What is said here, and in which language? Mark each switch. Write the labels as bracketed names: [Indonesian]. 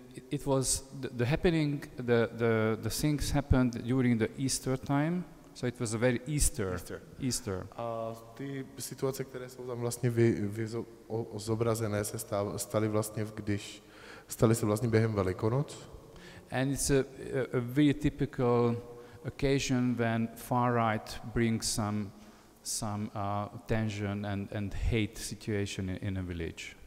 [English] It was the happening, the things happened during the Easter time, so it was a very Easter. [Czech] A ty situace, které jsou tam vlastně zobrazené, se staly vlastně staly se během Velikonoc. [English] And it's a very typical occasion when far right brings some tension and hate situation in a village.